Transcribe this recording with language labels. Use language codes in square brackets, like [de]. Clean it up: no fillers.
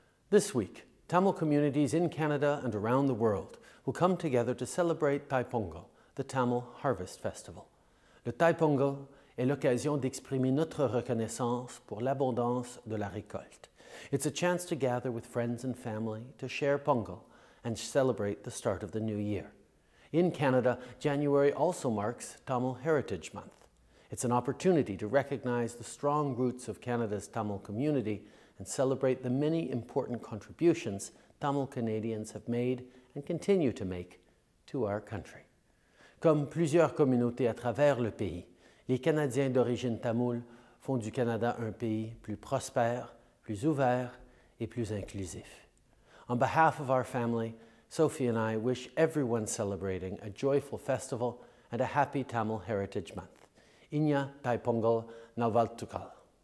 [en] This week, Tamil communities in Canada and around the world will come together to celebrate Thai Pongal, the Tamil Harvest Festival. [fr] Le Thai Pongal est l'occasion d'exprimer notre reconnaissance pour l'abondance de la récolte. [en] It's a chance to gather with friends and family to share Pongal and celebrate the start of the new year. In Canada, January also marks Tamil Heritage Month. It's an opportunity to recognize the strong roots of Canada's Tamil community and celebrate the many important contributions Tamil Canadians have made and continue to make to our country. [fr] Comme plusieurs communautés à travers le pays, les Canadiens d'origine tamoule font du Canada un pays plus prospère, plus ouvert et plus inclusif. [en] On behalf of our family, Sophie and I wish everyone celebrating a joyful festival and a happy Tamil Heritage Month. [ta] Inya Thai Pongal Navaltukal.